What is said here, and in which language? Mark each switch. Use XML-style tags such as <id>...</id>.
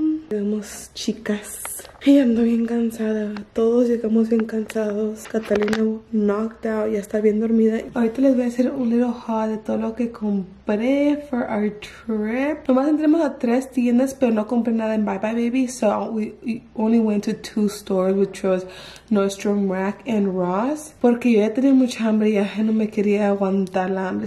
<es>Llegamos, chicas. Y ando bien cansada. Todos llegamos bien cansados.</es> <en>Catalina knocked out.</en> <es>Ya está bien dormida. Ahorita les voy a hacer un</es> <en>little haul</en> <es>de todo lo que compré</es> <en>for our trip.</en> <es>Nomás entremos a 3 tiendas, pero no compré nada en Bye Bye Baby.</es> <en>So we only went to 2 stores, which was Nordstrom Rack and Ross.</en> <es>Porque yo ya tenía mucha hambre y ya no me quería aguantar la hambre.</es>